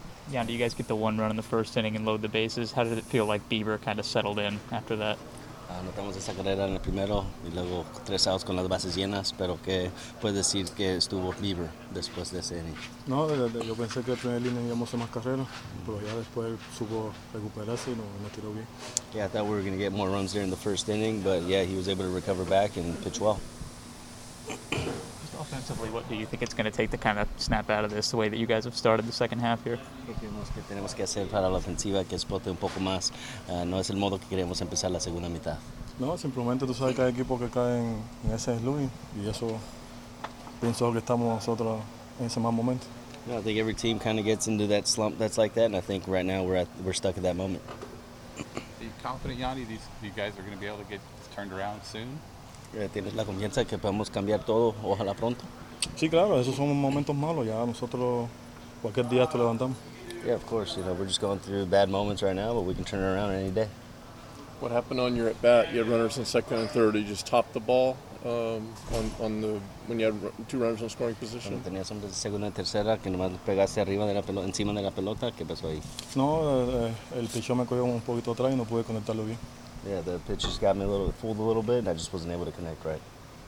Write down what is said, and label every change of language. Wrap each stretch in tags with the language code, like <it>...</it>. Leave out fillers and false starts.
<en>Yeah, do you guys get the one run in the first inning and load the bases? How did it feel like Bieber kind of settled in after that?</en> <es>Anotamos esa carrera en el primero y luego tres outs con las bases llenas, pero ¿qué puedes decir que estuvo Bieber después de ese inning? No, yo pensé que el primer inning íbamos a hacer más carreras, pero ya después supo recuperarse y nos tiró bien.</es> <en>Yeah, I thought we were going to get more runs there in the first inning, but yeah, he was able to recover back and pitch well. Offensively, what do you think it's going to take to kind of snap out of this the way that you guys have started the second half here?</en> <es>¿Qué tenemos que hacer para la ofensiva que explote un poco más? No es el modo que queremos empezar la segunda mitad. No, simplemente tú sabes que hay equipos que caen en ese Luis, y eso pienso que estamos nosotros en ese mal momento.</es> <en>No, I think every team kind of gets into that slump that's like that, and I think right now we're stuck at that moment. Are you confident, Yandy, you guys are going to be able to get turned around soon?</en> <es>¿Tienes la confianza que podemos cambiar todo, ojalá pronto? Sí, claro, esos son momentos malos, ya nosotros cualquier día te levantamos.</es> <en>Yeah, of course, you know, we're just going through bad moments right now, but we can turn it around any day. What happened on your at-bat? You had runners in second and third. Did you just top the ball when you had two runners in scoring position?</en> <es>Cuando tenías hombres de segunda y tercera, que nomás pegaste arriba de la pelota, encima de la pelota, ¿qué pasó ahí? No, el pichón me cogió un poquito atrás y no pude conectarlo bien.</es> <en>Yeah, the pitch just got me a little fooled a little bit, and I just wasn't able to connect right.</en>